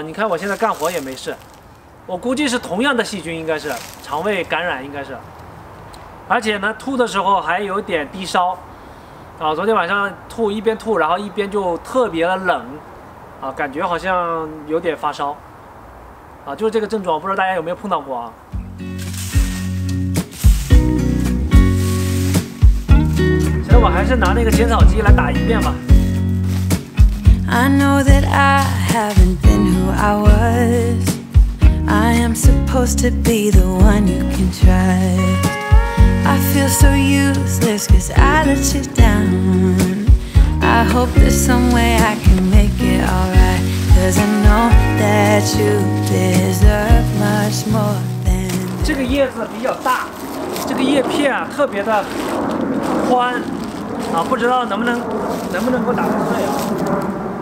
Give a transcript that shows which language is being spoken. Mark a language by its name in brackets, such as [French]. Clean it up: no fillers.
[Chinese] 你看我现在干活也没事，我估计是同样的细菌，应该是肠胃感染，应该是，而且呢吐的时候还有点低烧啊，昨天晚上吐一边吐然后一边就特别的冷啊，感觉好像有点发烧啊，就是这个症状，不知道大家有没有碰到过啊。所以我还是拿那个仙草机来打一遍吧。 [English] I know that I haven't been who I was. I am supposed to be the one you can trust. I feel so useless cause I let you down. I hope there's some way I can make it alright. Cause I know that you deserve much more than that. [Chinese] 这个叶子比较大，这个叶片啊特别的宽啊，不知道能不能给我打个碎啊。